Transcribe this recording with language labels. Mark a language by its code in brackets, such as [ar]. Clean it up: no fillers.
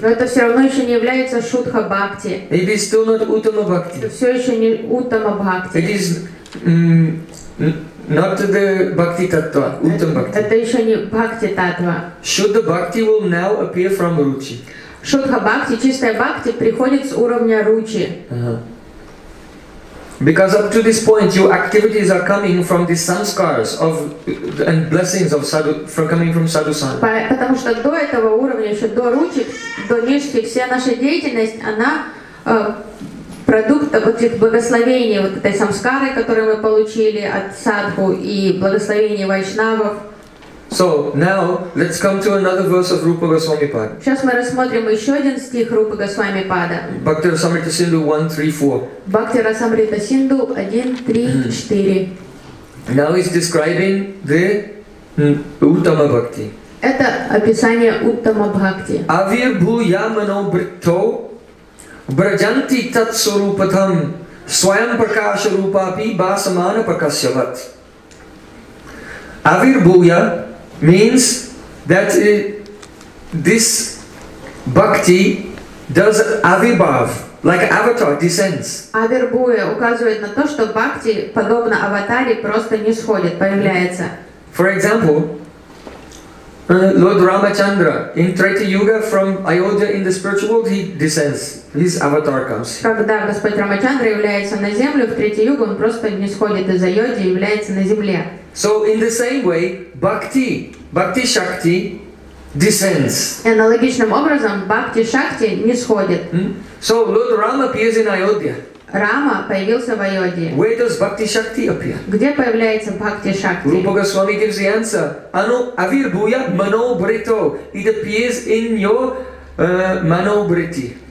[ru] Но это все равно еще не является Шудха Бхакти. [en] It is still not Uttama Bhakti. [ru] Это все еще не Uttama Bhakti. [en] It is not the Bhakti Tattva, Uttama Bhakti. [ru] Это еще не Bhakti Tattva. [en] Shuddha Bhakti will now appear from Ruchi. [ru] Shuddha Bhakti, чистая Бхакти, приходит с уровня Ruchi. [en] Because up to this point, your activities are coming from the samskaras of and blessings of sadhu, from coming from sadhu sang. [ru] Потому что до этого уровня, еще до ручи, до нишки, вся наша деятельность, она продукт вот этих благословений, вот этой самскары, которую мы получили от садху и благословений вайшнавов. [en] So now let's come to another verse of Rupa Goswami Pada. [ru] Сейчас мы рассмотрим еще один стих Рупы Госвами Пада. [en] Bhakti Rasamrita Sindhu 1.3.4. [ru] Bhakti Rasamrita Sindhu 1.3.4. [en] Now he's describing the Uttama Bhakti. [ru] Это описание Uttama Bhakti. [sa] Avir bhuya mano britto brajanti tat swarupatam swayam prakasha rupapi basamana prakasyavat. [en] Avir bhuya means that this bhakti does avibhav, like avatar descends. [ru] Avir bhuya указывает на то, что бхакти подобно аватаре просто нисходит, появляется. [en] For example, Lord Ramachandra in Treta Yuga from Ayodhya in the spiritual world, he descends. His avatar comes. [ru] Когда Господь Рамачандра является на землю в Третьей Юге, он просто не сходит из Айодхи и является на земле. [en] So in the same way, bhakti shakti descends. [ru] Аналогичным образом бхакти шакти не сходит. [en] So Lord Rama appears in Ayodhya. [ru] Рама появился в Айодхи. [en] Where does bhakti shakti appear? [ru] Где появляется бхакти шакти? [en] Rupa Goswami gives the answer. [sa] Ano avir bhuya mano brito. [en] It appears in your mano briti.